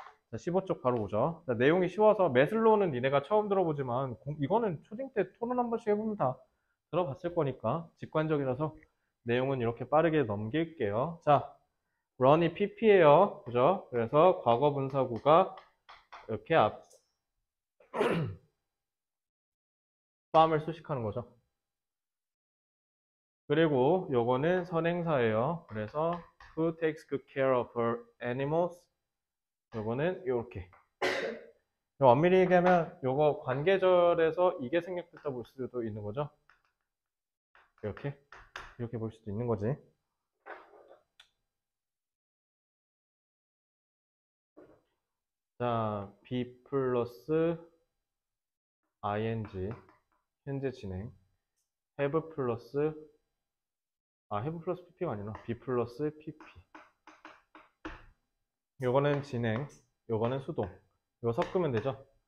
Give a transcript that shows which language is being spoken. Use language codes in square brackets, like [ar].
[ko] 자, 15쪽 바로 오죠. 자, 내용이 쉬워서 매슬로우는 니네가 처음 들어보지만 이거는 초딩 때 토론 한 번씩 해보면 다 들어봤을 거니까 직관적이라서 내용은 이렇게 빠르게 넘길게요. 자. run이 pp예요. 그죠? 그래서 과거 분사구가 이렇게 앞 farm을 수식하는 거죠. 그리고 요거는 선행사예요. [en] 그래서 who takes good care of her animals? [ko] 요거는 이렇게. 엄밀히 얘기하면 요거 관계절에서 이게 생략됐다 볼 수도 있는 거죠. 이렇게. 이렇게 볼 수도 있는 거지. 자, B 플러스 ING 현재 진행 have 플러스 have 플러스 PP가 아니라 B 플러스 PP 요거는 진행 요거는 수동 요거 섞으면 되죠.